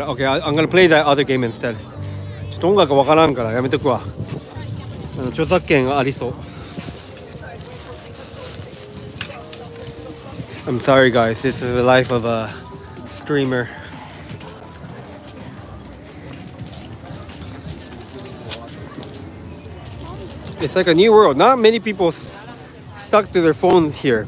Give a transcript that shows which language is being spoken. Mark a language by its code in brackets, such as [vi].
[en] OK, I'm gonna play that other game instead. [ja] ちょっと音楽わからんからやめとくわ。あの、著作権がありそう。 [en] I'm sorry guys, this is the life of a streamer. It's like a new world. Not many people stuck to their phones here.